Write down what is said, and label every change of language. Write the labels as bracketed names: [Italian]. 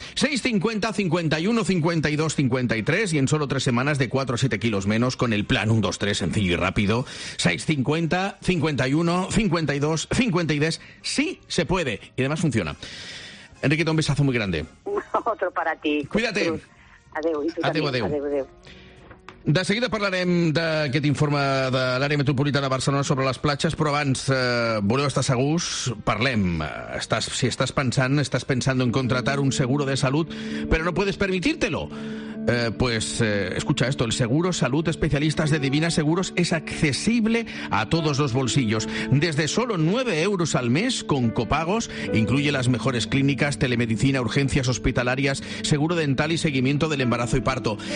[Spanish] 650-51-52-53 y en solo 3 semanas de 4 a 7 kilos menos con el plan 1-2-3 sencillo y rápido. 650-51-52-53. Sí, se puede. Y además funciona. Enrique, un besazo muy grande. Otro para ti. Cuídate. [Catalan] Adeu. Adeu. De seguida parlarem d'aquest informe de l'àrea metropolitana de Barcelona sobre les platges, però abans, voleu estar segurs? Parlem. [Spanish] Si estàs pensant en contratar un seguro de salut, però no puedes permitírtelo. Escucha esto, el Seguro Salud Especialistas de Divina Seguros es accesible a todos los bolsillos. Desde solo 9 euros al mes con copagos, incluye las mejores clínicas, telemedicina, urgencias hospitalarias, seguro dental y seguimiento del embarazo y parto.